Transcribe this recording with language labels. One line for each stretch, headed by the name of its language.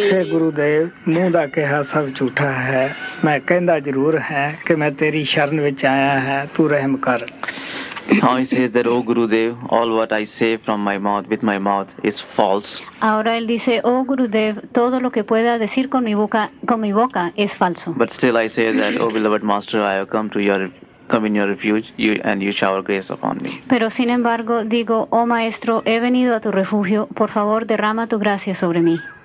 Punjabi: ਗੁਰੂਦੇਵ ਮੂੰਹ ਦਾ ਕਿਹਾ ਸਭ ਝੂਠਾ ਹੈ ਮੈਂ ਕਹਿੰਦਾ ਜ਼ਰੂਰ ਹੈ ਕਿ ਮੈਂ ਤੇਰੀ ਸ਼ਰਨ ਵਿੱਚ ਆਇਆ ਹੈ ਤੂੰ ਰਹਿਮ ਕਰ
English: Now he says that, oh Gurudev, all what I say from my mouth, with my mouth, is false.
Spanish: Ahora él dice, oh Gurudev, todo lo que pueda decir con mi boca es falso.
English: But still I say that, oh beloved Master, I have come in your refuge, and you shower grace upon me.
Spanish: Pero sin embargo digo, oh Maestro, he venido a tu refugio, por favor derrama tu gracia sobre mí.